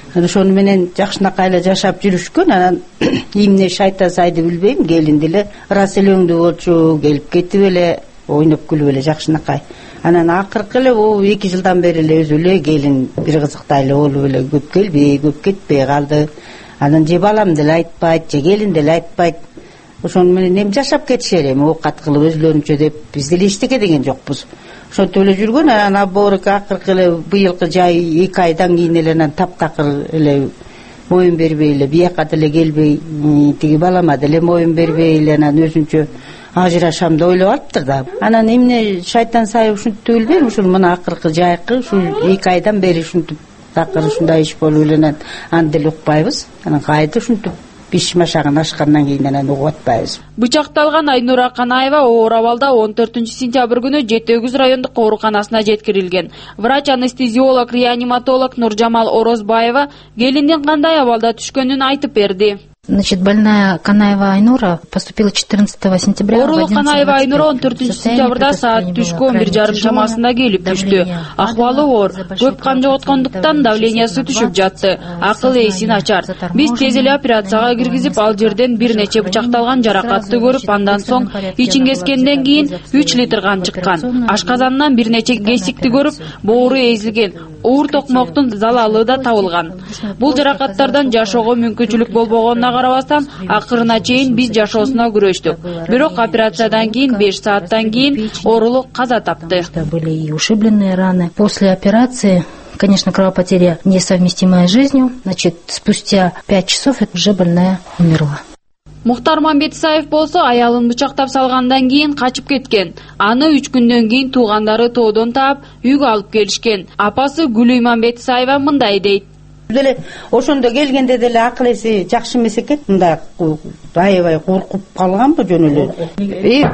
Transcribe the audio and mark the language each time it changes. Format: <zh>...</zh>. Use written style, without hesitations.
<ky>Анан ошону менен жакшынакай эле жашап жүрүшкөн. Анан эмне иш айта сайды билбейм, келин деле ырас эле өңдүү болчу, келип кетип эле ойноп күлүп эле жакшынакай. Анан акыркы эле 2 жылдан бери эле өзү эле келин бир кызыктай эле болуп эле көп келбей, көп кетпей калды. Анан же балам деле айтпайт, же келин деле айтпайт. Ошону менен эми жашап кетишер, эми оокат кылып өзүлөрүнчө деп биз деле эчтеке деген жокпуз. Ошентип эле жүргөн. Анан аборки акыркы эле быйылкы жай 2 айдан кийин эле анан таптакыр эле моюн бербей эле бияка деле келбей тиги балама деле моюн бербей эле анан өзүнчө ажырашам деп ойлоп алыптыр да. Анан эмне шайтан сайып ушинтип билбейм, ушул мына акыркы жайкы ушул 2 айдан бери ушинтип такыр ушундай иш болуп эле анан аны деле укпайбыз. Анан кайда ушинтип иш машагын ашкандан кийин анан угуп атпайбыз. Бычакталган Айнура Канаева оор абалда 14-сентябрь күнү Жетөгүз райондук ооруканасына жеткирилген. Врач анестезиолог реаниматолог Нуржамал Орозбаева келиндин кандай абалда түшкөнүн айтып берди.</ky> <ru>Значит, больная Канаева Айнура поступила 14 сентября.</ru> <ky>Оорулуу Канаева Айнура 14 сентябрда саат түшкү 11:30 чамасында келип түштү. Акыбалы оор, көп кан жоготкондуктан давлениясы түшүп жатты. Акыл эси начар. Биз тез эле операцияга киргизип, ал жерден бир нече бычакталган жаракатты көрүп, андан соң ичин кескенден кийин 3 литр кан чыккан. Ашказанынан бир нече кесикти көрүп, боору эзилген. Оор токмоктун залалы да табылган. Бул жаракаттардан жашоого мүмкүнчүлүк болбогон. Ана карабастан акырына чейин биз жашоосуна күрөштүк. Бирок операциядан кийин 5 сааттан кийин оорулу каза тапты.</ky> <ru>Были и ушибленные раны. После операции, конечно, кровопотеря несовместимая с жизнью. Значит, спустя 5 часов уже больная умерла.</ru> <ky>Мухтар Мамбетисаев болсо аялын бычактап салгандан кийин качып кеткен. Аны 3 күндөн кийин туугандары тоодон таап, үйгө алып келишкен. Апасы Гүлүй Мамбетисаева мындай дейт. Деле ошондо келгенде деле акыл эси жакшы эмес экен. Мындай аябай коркуп калганбы жөн эле.</ky>